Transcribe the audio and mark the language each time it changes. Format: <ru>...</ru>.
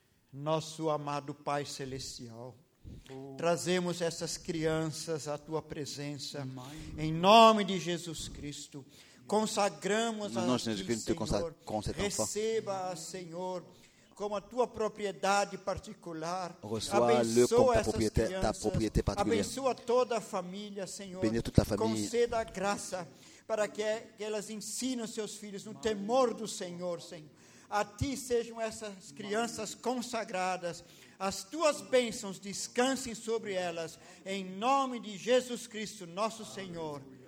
<pt>Nosso amado Pai Celestial, trazemos essas crianças à tua presença, em nome de Jesus Cristo. Consagramos a ti, Senhor. Receba, Senhor, como a tua propriedade particular.</pt> <fr>Reçois-le comme ta propriété particulière.</fr> <pt>Abençoa toda a família, Senhor.</pt> <fr>Bénis toute la famille.</fr> <pt>Conceda a graça para que elas ensinem seus filhos no temor do Senhor, Senhor. A ti sejam essas crianças consagradas. As tuas bênçãos descansem sobre elas. Em nome de Jesus Cristo, nosso Senhor.</pt>